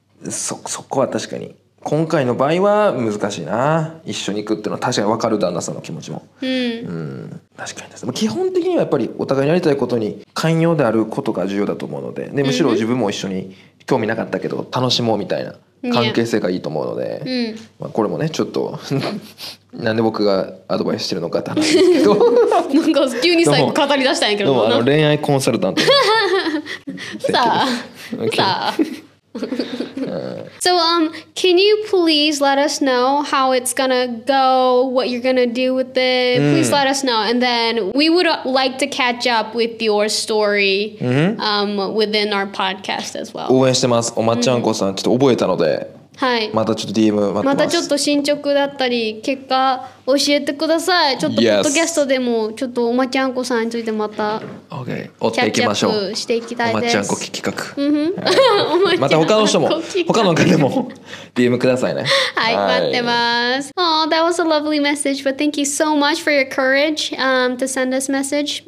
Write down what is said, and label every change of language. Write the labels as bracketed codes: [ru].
[ja] そこは確かに。今回の場合は難しいな一緒に行くっていうのは確かに分かる旦那さんの気持ちも、確かにです基本的にはやっぱりお互いにやりたいことに寛容であることが重要だと思うの でむしろ自分も一緒に興味なかったけど楽しもうみたいな関係性がいいと思うので、 [en] yeah. [ja] まあ、これもねちょっとなんで僕がアドバイスしてるのかって話ですけどなんか急に最後語り出したんやけ どうもあの恋愛コンサルタント [en] さあSo, can you please let us know how it's gonna go, what you're gonna do with it? Please let us know. And then we would like to catch up with your story within our podcast as well. [ja] 応援してます。おまちゃんこさん、ちょっと覚えたので、はい、またちょっと DM 待ってます。またちょっと進捗だったり、結果教えてください。ちょっとポッドキャストでも、ちょっとおまちゃんこさんについてまた。 OK、追っていきましょう。していきたいです。おまちゃんこ企画。うん、んまた他の人も、他の方でも DM くださいね。はい、待ってます。 [en] Oh, that was a lovely message, but thank you so much for your courage, to send us message.